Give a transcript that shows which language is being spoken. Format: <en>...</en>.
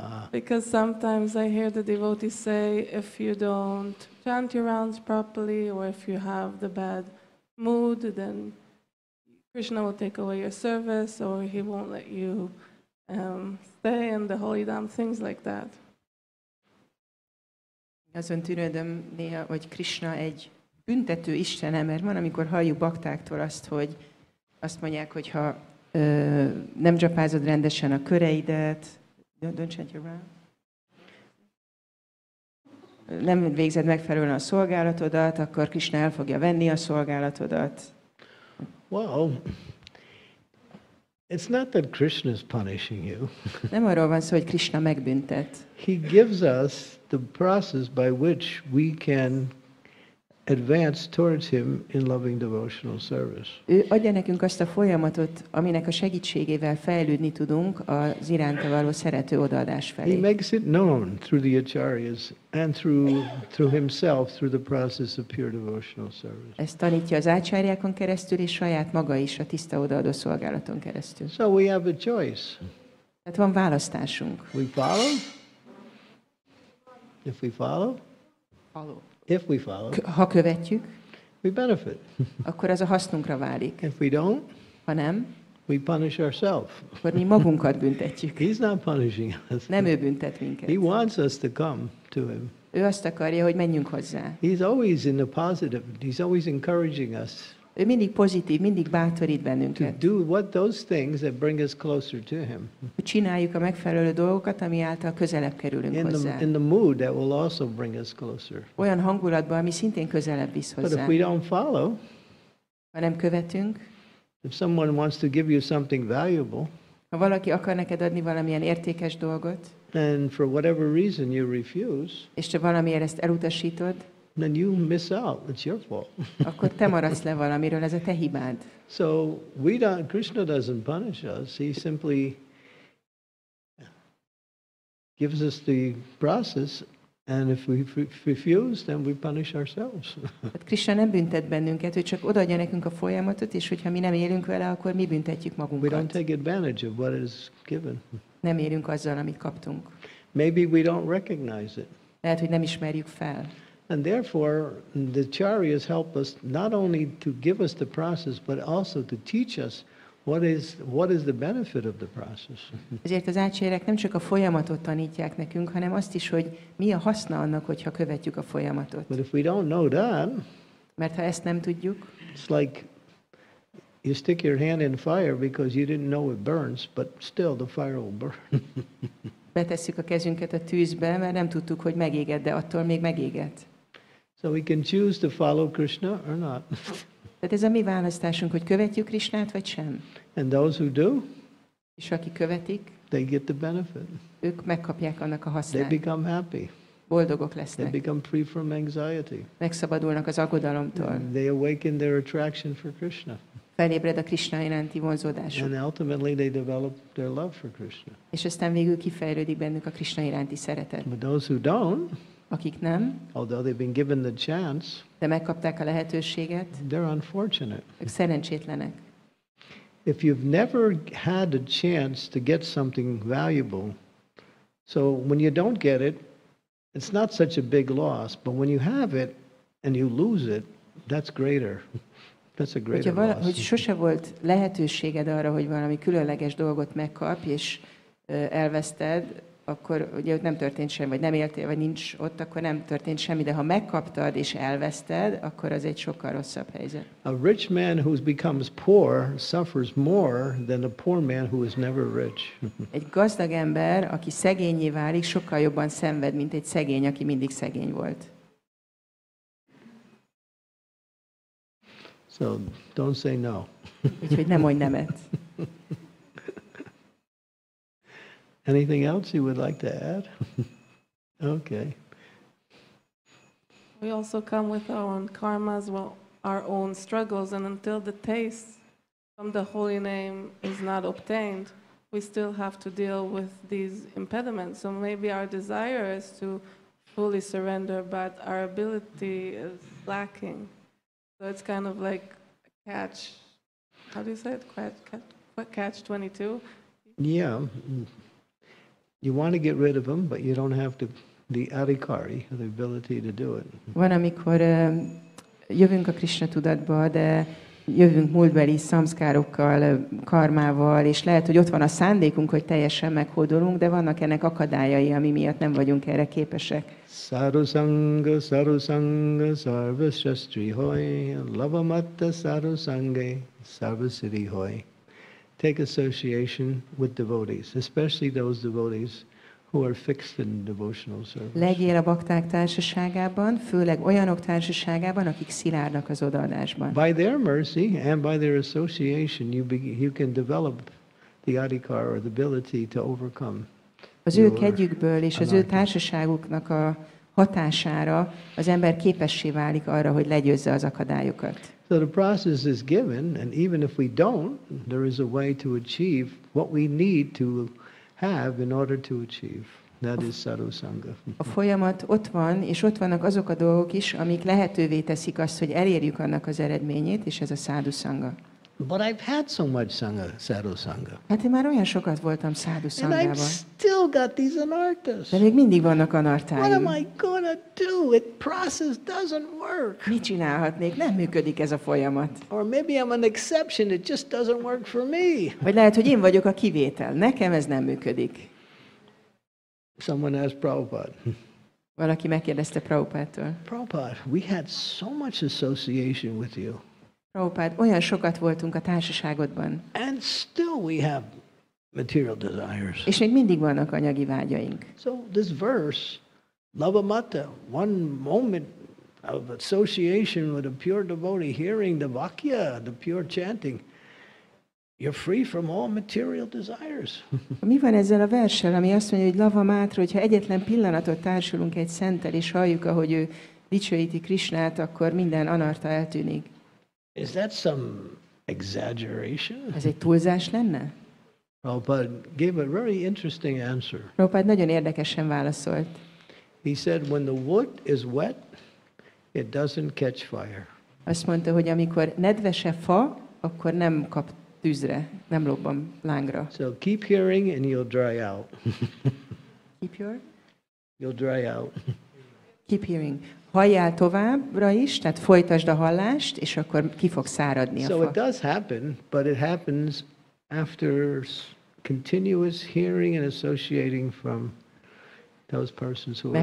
<en>Because sometimes I hear the devotees say, if you don't chant your rounds properly, or if you have the bad mood, then Krishna will take away your service, or he won't let you stay in the holy dham, things like that.</en> <hu>Azon tűnődöm néha, hogy Krishna egy büntető Isten, mert van, amikor halljuk baktáktól azt, hogy azt mondják, hogy ha nem japázod rendesen a köreidet,</hu> <en>don't chant your rounds.</en> <hu>Nem végzed megfelelően a szolgálatodat, akkor Krishna el fogja venni a szolgálatodat.</hu> <en>Well, it's not that Krishna is punishing you.</en> <hu>Nem arról van szó, hogy Krishna megbüntet.</hu> <en>He gives us the process by which we can advance towards him in loving devotional service.</en> <hu>Ő adja nekünk azt a folyamatot, aminek a segítségével fejlődni tudunk az iránta való szerető odaadás felé.</hu> <en>He makes it known through the acharyas and through himself through the process of pure devotional service.</en> <hu>Ezt tanítja az ácsáriákon keresztül és saját maga is a tiszta odaadó szolgálaton keresztül.</hu> <en>So we have a choice.</en> <hu>Tehát van választásunk.</hu> <en>We follow. If we follow. Follow. If we follow,</en> <hu>ha követjük,</hu> <en>we benefit.</en> <hu>Akkor ez a hasznunkra válik.</hu> <en>If we don't,</en> <hu>ha nem,</hu> <en>we punish ourselves.</en> <hu>Akkor mi magunkat büntetjük.</hu> <en>He's not punishing us.</en> <hu>Nem ő büntet minket.</hu> <en>He wants us to come to him.</en> <hu>Ő azt akarja, hogy menjünk hozzá.</hu> <en>He's always in the positive. He's always encouraging us</en> <hu>Ő mindig pozitív, mindig bátorít bennünket.</hu> <en>To do what those things that bring us closer to him.</en> <hu>Csináljuk a megfelelő dolgokat, ami által közelebb kerülünk</hu> <en>in</en> <hu>hozzá.</hu> <en>In the mood that will also bring us closer.</en> <hu>Olyan hangulatban, ami szintén közelebb visz hozzá.</hu> <en>But if we don't follow,</en> <hu>ha nem követünk,</hu> <en>if someone wants to give you something valuable,</en> <hu>ha valaki akar neked adni valamilyen értékes dolgot,</hu> <en>and for whatever reason you refuse,</en> <hu>és te valamiért ezt elutasítod,</hu> <en>then you miss out. It's your fault.</en> <hu>Akkor te maradsz le valamiről, ez a te hibád.</hu> <en>So we don't. Krishna doesn't punish us. He simply gives us the process, and if we refuse, then we punish ourselves.</en> <hu>Hát Krishna nem büntet bennünket, ő csak odaadja nekünk a folyamatot, és hogyha mi nem élünk vele, akkor mi büntetjük magunkat.</hu> <en>We don't take advantage of what is given.</en> <hu>Nem élünk azzal, amit kaptunk.</hu> <en>Maybe we don't recognize it.</en> <hu>Lehet, hogy nem ismerjük fel.</hu> <en>And therefore, the acharyas help us not only to give us the process, but also to teach us what is the benefit of the process.</en> <hu>Ezért az acharyák nem csak a folyamatot tanítják nekünk, hanem azt is, hogy mi a haszna annak, hogyha követjük a folyamatot.</hu> <en>But if we don't know that,</en> <hu>mert ha ezt nem tudjuk,</hu> <en>it's like you stick your hand in fire because you didn't know it burns, but still the fire will burn.</en> <hu>Betesszük a kezünket a tűzbe, mert nem tudtuk, hogy megéget, de attól még megéget.</hu> <en>So we can choose to follow Krishna or not.</en> <hu>Tehát ez a mi választásunk, hogy követjük Krishnát vagy sem.</hu> <en>And those who do,</en> <hu>és akik követik,</hu> <en>they get the benefit.</en> <hu>Ők megkapják annak a hasznát.</hu> <en>They become happy.</en> <hu>Boldogok lesznek.</hu> <en>They become free from anxiety.</en> <hu>Megszabadulnak az aggodalomtól.</hu> <en>And they awaken their attraction for Krishna.</en> <hu>Felébred a Krishna iránti vonzódásuk.</hu> <en>And ultimately they develop their love for Krishna.</en> <hu>És aztán végül kifejlődik bennük a Krishna iránti szeretet.</hu> <en>But those who don't,</en> <hu>akik nem,</hu> <en>although they've been given the chance,</en> <hu>de megkapták a lehetőséget,</hu> <en>they're unfortunate.</en> <hu>Ők szerencsétlenek.</hu> <en>If you've never had a chance to get something valuable, so when you don't get it, it's not such a big loss, but when you have it and you lose it, that's greater. That's a greater loss.</en> <hu>Hogy sose volt lehetőséged arra, hogy valami különleges dolgot megkapj, és elveszted, akkor ugye ott nem történt semmi, vagy nem éltél, vagy nincs ott, akkor nem történt semmi, de ha megkaptad és elveszted, akkor az egy sokkal rosszabb helyzet.</hu> <en>A rich man who becomes poor suffers more than a poor man who is never rich.</en> <hu>Egy gazdag ember, aki szegényé válik, sokkal jobban szenved, mint egy szegény, aki mindig szegény volt.</hu> <en>So don't say no.</en> <hu>Úgyhogy nem mondj nemet.</hu> <en>Anything else you would like to add? Okay. We also come with our own karma as well, our own struggles, and until the taste from the holy name is not obtained, we still have to deal with these impediments. So maybe our desire is to fully surrender, but our ability is lacking. So it's kind of like catch. How do you say it? Catch 22? Yeah. You want to get rid of them, but you don't have the adhikari, the ability to do it.</en> <hu>Van, amikor jövünk a Krishna tudatba, de jövünk múltbeli szamszkárokkal, karmával, és lehet, hogy ott van a szándékunk, hogy teljesen meghódolunk, de vannak ennek akadályai, ami miatt nem vagyunk erre képesek.</hu> <sa>Sarusanga, sarusanga, sarvasastrihoi, lavamatta sarusange, sarvasirihoi.</sa> <en>Take association with devotees, especially those devotees who are fixed in devotional service.</en> <hu>Legyél a bakták társaságában, főleg olyanok társaságában, akik szilárdnak az odaadásban.</hu> <en>By their mercy and by their association, you can develop the adhikar or the ability to overcome.</en> <hu>Az ő kegyükből és az ő társaságuknak a hatására az ember képessé válik arra, hogy legyőzze az akadályokat.</hu> <en>So the process is given, and even if we don't, there is a way to achieve what we need to have in order to achieve. That is sarusanga.</en> <hu>A folyamat ott van, és ott vannak azok a dolgok is, amik lehetővé teszik azt, hogy elérjük annak az eredményét, és ez a sadhusanga.</hu> <en>But I've had so much sangha, sarusanga.</en> <hu>Hát én már olyan sokat voltam sadhusangában.</hu> <en>And I've still got these anarthas.</en> <hu>De még mindig vannak anarthái.</hu> <en>What am I gonna do? The process doesn't work.</en> <hu>Mit csinálhatnék? Nem működik ez a folyamat.</hu> <en>Or maybe I'm an exception. It just doesn't work for me.</en> <hu>Vagy lehet, hogy én vagyok a kivétel. Nekem ez nem működik.</hu> <en>Someone asked Prabhupada.</en> <hu>Valaki megkérdezte Prabhupától.</hu> <en>Prabhupada, we had so much association with you.</en> <hu>Prabhupád, olyan sokat voltunk a társaságodban.</hu> <en>And still we have material desires.</en> <hu>És még mindig vannak anyagi vágyaink.</hu> <en>So this verse, love amata, one moment of association with a pure devotee, hearing the vakya, the pure chanting, you're free from all material desires.</en> <hu>Mi van ezzel a verssel, ami azt mondja, hogy lava mátra, hogyha egyetlen pillanatot társulunk egy szenttel, és halljuk, ahogy ő dicsőíti Krisnát, akkor minden anarta eltűnik.</hu> <en>Is that some exaggeration?</en> <hu>Ez egy túlzás lenne?</hu> <en>Prabhupád gave a very interesting answer.</en> <hu>Prabhupád nagyon érdekesen válaszolt.</hu> <en>He said, when the wood is wet, it doesn't catch fire.</en> <hu>Azt mondta, hogy amikor nedves a fa, akkor nem kap tűzre, nem lobban lángra.</hu> <en>So keep hearing and you'll dry out. Keep your? You'll dry out. Keep hearing.</en> <hu>Halljál továbbra is, tehát folytasd a hallást, és akkor ki fog száradni a fa.</hu> <en>So it does happen, but it happens after continuous hearing and associating from those persons who.</en>